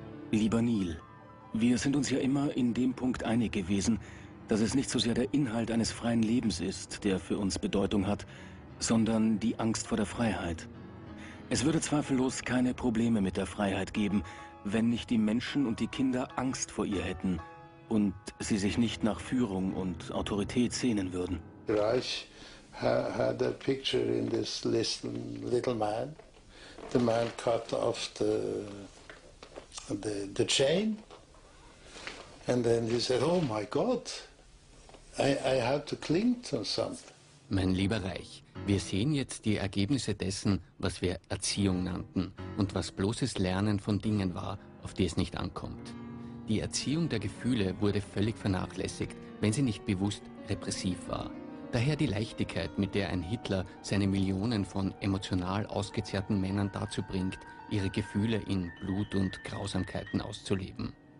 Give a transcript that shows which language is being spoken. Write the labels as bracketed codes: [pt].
[de] Lieber Neal, wir sind uns ja immer in dem Punkt einig gewesen, dass es nicht so sehr der Inhalt eines freien Lebens ist, der für uns Bedeutung hat, sondern die Angst vor der Freiheit. Es würde zweifellos keine Probleme mit der Freiheit geben, wenn nicht die Menschen und die Kinder Angst vor ihr hätten und sie sich nicht nach Führung und Autorität sehnen würden. [en] Reich had a picture in this little man. The man cut off the chain. And then he said, oh my God, I have to cling to something. [de] Mein lieber Reich, wir sehen jetzt die Ergebnisse dessen, was wir Erziehung nannten und was bloßes Lernen von Dingen war, auf die es nicht ankommt. Die Erziehung der Gefühle wurde völlig vernachlässigt, wenn sie nicht bewusst repressiv war. Daher die Leichtigkeit, mit der ein Hitler seine Millionen von emotional ausgezehrten Männern dazu bringt, ihre Gefühle in Blut und Grausamkeiten auszuleben.